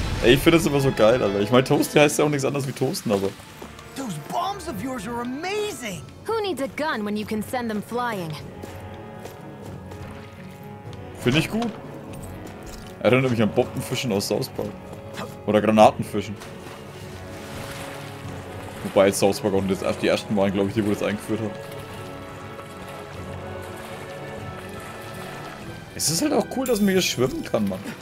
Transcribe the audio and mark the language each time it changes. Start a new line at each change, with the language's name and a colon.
German: Ey, ich finde das immer so geil, Alter. Ich meine, Toasty heißt ja auch nichts anderes wie Toasten, aber...
English: Those bombs of yours are amazing! Who needs a gun when you can send them flying?
German: Finde ich gut. Erinnert mich an Bombenfischen aus South Park. Oder Granatenfischen. Wobei jetzt South Park auch nicht erst die ersten waren, glaube ich, die wo das eingeführt hat. Es ist halt auch cool, dass man hier schwimmen kann, Mann.